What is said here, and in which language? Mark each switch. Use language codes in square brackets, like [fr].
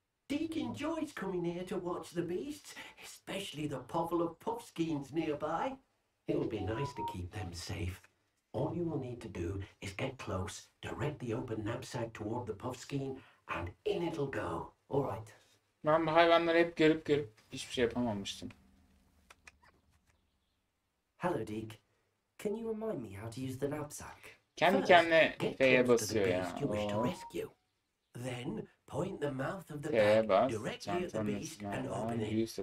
[en] Deke enjoys coming here to watch the beasts, especially the povel of Puffskeins nearby. It will be nice to keep them safe. All you will need to do is get close, direct the open knapsack toward the Puffskein, and in it'll go. All right. [tr] Ben bu hayvanları hep görüp görüp hiçbir şey yapamamıştım. [en] Hello, Deke. Can you remind me how to use the knapsack? [tr] Kendi kendine F'ye basıyor ya. Yeah. [en] Then point the mouth of the bag directly at the beast and open it.